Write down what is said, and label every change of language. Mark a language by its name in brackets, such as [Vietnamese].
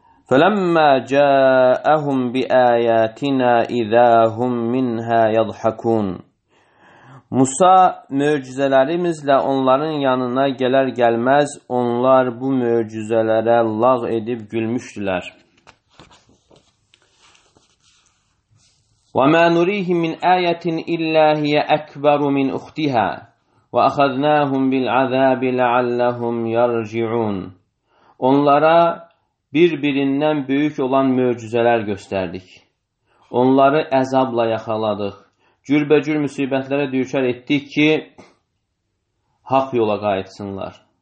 [Arabic] فَلَمَّا جَاءَهُمْ بِآيَاتِنَا اِذَا هُمْ مِنْهَا يَضْحَكُونَ [Azerbaijani] Musa möcüzelerimizlə onların yanına gələr gəlməz, onlar bu möcüzələrə lağ edib gülmüşdülər. [Arabic] وَمَا نُرِيهِمْ مِنْ آيَةٍ إِلَّا هِيَ أَكْبَرُ مِنْ اُخْتِهَا وَأَخَذْنَاهُمْ بِالْعَذَابِ لَعَلَّهُمْ يَرْجِعُونَ [Azerbaijani] Onlara bir-birindən böyük olan möcüzələr göstərdik. Onları əzabla yaxaladıq. Cürbəcür müsibətlərə düşər etdik ki, haqq yola qayıtsınlar.